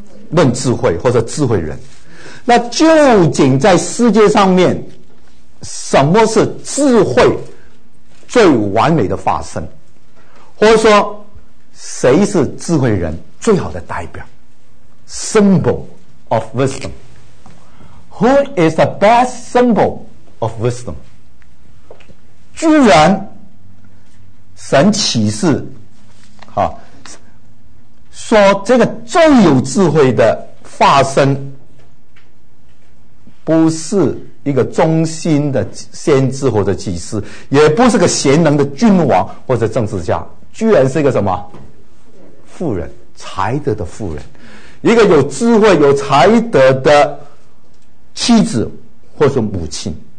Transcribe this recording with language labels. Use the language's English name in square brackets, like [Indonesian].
[Chinese] 论智慧，或者智慧人。那究竟在世界上面什么是智慧最完美的化身，或者说谁是智慧人最好的代表？ [English] Symbol of wisdom. Who is the best symbol of wisdom? [Chinese] 居然神启示啊，说这个最有智慧的化身不是一个忠心的先知或者祭司，也不是个贤能的君王或者政治家，居然是一个什么妇人，才德的妇人，一个有智慧有才德的妻子或者母亲。